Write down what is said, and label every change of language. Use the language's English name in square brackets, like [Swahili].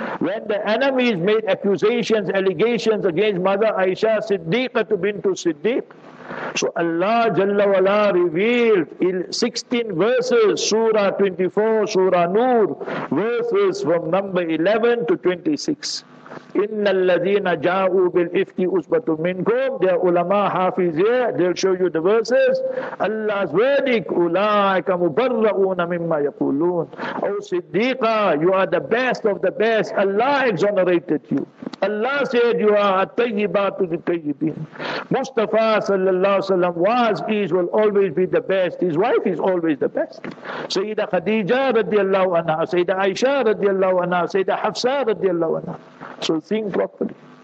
[English] When the enemies made accusations, allegations against Mother Aisha Siddiqatu bintu Siddiq, so Allah Jalla Wala revealed in 16 verses, Surah 24, Surah Nur, verses from number 11 to 26. [Arabic] إِنَّ الَّذِينَ جَاءُوا بِالْإِفْكِ أُصْبَةٌ مِّنْكُمْ. [English] They are ulama, hafiz here. They'll show you the verses. Allah's verdict, [Arabic] أُولَٰئِكَ مُبَرَّؤُونَ مِمَّا يَقُولُونَ. [English] Oh Siddiqa, you are the best of the best. Allah exonerated you. Allah said you are [Arabic] at-tayyibatu li-tayyibin. [English] Mustafa sallallahu alayhi wa sallam was, is, will always be the best. His wife is always the best. Sayyida Khadija radiallahu anha, Sayyida Aisha radiallahu anha, Sayyida Hafsa radiallahu anha. So think properly.